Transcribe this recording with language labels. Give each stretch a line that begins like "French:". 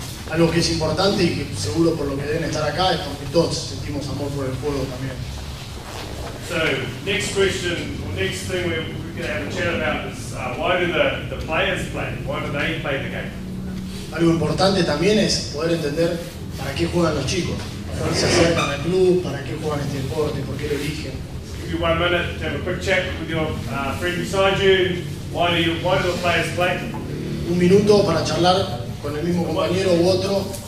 Spanish: Algo que es importante y que seguro por lo que deben estar acá es porque todos sentimos amor por el juego también.
English: So, next question, or next thing we're going to have a chat about is why do the players play? Why do they play the game?
Spanish: Algo importante también es poder entender para qué juegan los chicos, para qué se acercan al club, para qué juegan este deporte, por qué lo eligen.
English: Give you 1 minute to have a quick chat with your friend beside you. Why do the players play?
Spanish: Un minuto para charlar con el mismo compañero u otro.